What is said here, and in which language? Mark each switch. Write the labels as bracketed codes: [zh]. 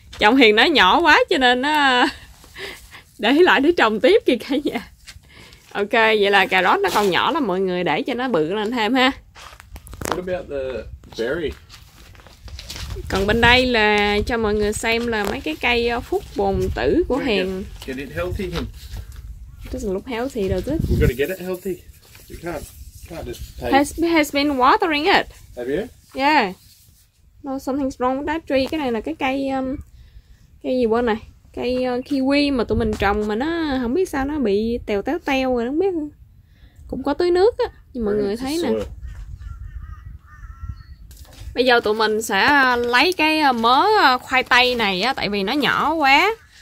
[vi] Chồng Hiền nó nhỏ quá cho nên để lại để trồng tiếp kìa cả nhà. Ok, vậy là cà rốt nó còn nhỏ lắm mọi người, để cho nó bự lên thêm ha. [en] What about the berry? [vi] Còn bên đây là cho mọi người xem là mấy cái cây phúc bồn tử của Hiền. [en] Get it healthy, Hiền. Doesn't look healthy, does it? We've got to get it healthy. You can't just take... Has been watering it. Have you? Yeah. No, something's wrong with that tree. [vi] Cái này là cái cây... cây gì quên này. Cây kiwi mà tụi mình trồng mà nó không biết sao nó bị tèo téo teo rồi, không biết. Cũng có tưới nước á. Nhưng mọi người thấy nè. Bây giờ tụi mình sẽ lấy cái mớ khoai tây này á, tại vì nó nhỏ quá.